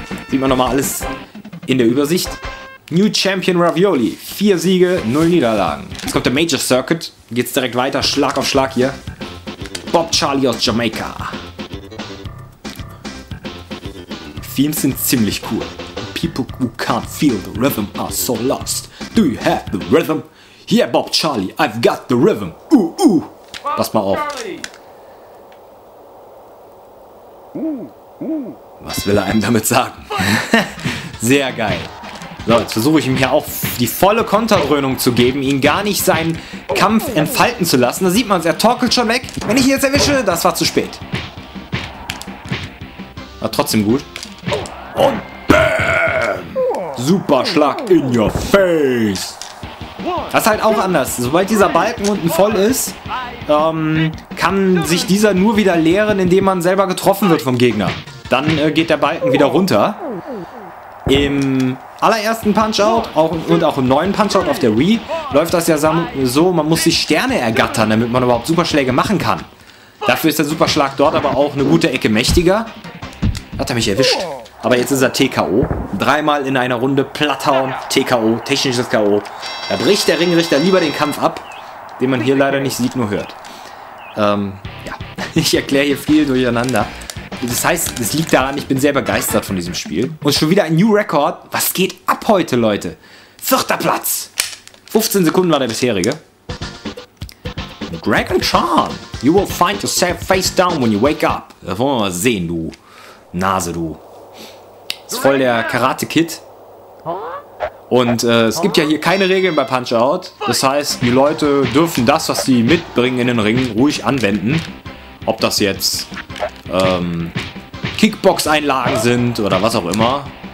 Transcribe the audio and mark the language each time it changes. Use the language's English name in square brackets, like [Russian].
[German] Sieht man nochmal alles in der Übersicht. New Champion Ravioli. 4 Siege, 0 Niederlagen. Jetzt kommt der Major Circuit. Geht's direkt weiter, Schlag auf Schlag hier. Bob Charlie aus Jamaica. Themes sind ziemlich cool. [English] People who can't feel the rhythm are so lost. Do you have the rhythm? Yeah, Bob Charlie, I've got the rhythm. [German] Pass mal auf. Was will er einem damit sagen? Sehr geil. So, jetzt versuche ich ihm hier auch die volle Konterdröhnung zu geben, ihn gar nicht seinen Kampf entfalten zu lassen. Da sieht man es, er torkelt schon weg. Wenn ich ihn jetzt erwische, das war zu spät. War trotzdem gut. Und BÄM! Super Schlag [English] in your face! [German] Das ist halt auch anders. Sobald dieser Balken unten voll ist, kann sich dieser nur wieder leeren, indem man selber getroffen wird vom Gegner. Dann geht der Balken wieder runter. Im allerersten Punch-Out und auch im neuen Punch-Out auf der Wii läuft das ja so, man muss sich Sterne ergattern, damit man überhaupt Superschläge machen kann. Dafür ist der Superschlag dort aber auch eine gute Ecke mächtiger. Hat er mich erwischt. Aber jetzt ist er TKO. Dreimal in einer Runde platthauen, TKO, technisches KO. Da bricht der Ringrichter lieber den Kampf ab, den man hier leider nicht sieht, nur hört. Ja, ich erkläre hier viel durcheinander. Das heißt, es liegt daran, ich bin sehr begeistert von diesem Spiel. Und schon wieder ein New Record. Was geht ab heute, Leute? 4. Platz! 15 Sekunden war der bisherige. Dragon Charm! [English] You will find yourself face down when you wake up. [German] Das wollen wir mal sehen, du. Nase, du. Ist voll der Karate-Kid. Und es gibt ja hier keine Regeln bei Punch-Out. Das heißt, die Leute dürfen das, was sie mitbringen in den Ring, ruhig anwenden. Ob das jetzt Kickbox-Einlagen sind oder was auch immer.